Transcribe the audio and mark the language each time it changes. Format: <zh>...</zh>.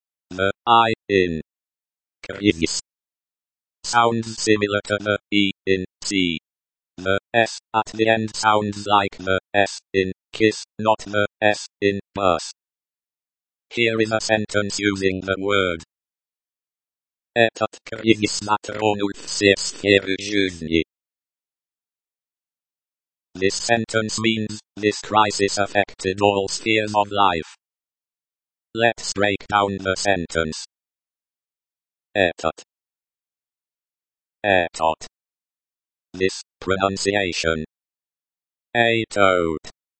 <en>The I in krizis sounds similar to the E in C. The S at the end sounds like the S in kiss, not the S in bus. Here is a sentence using the word.</en> <ru>Этот кризис затронул все сферы жизни.</ru> <en>This sentence means, this crisis affected all spheres of life. Let's break down the sentence. Этот. Этот. This pronunciation. Этот.</en>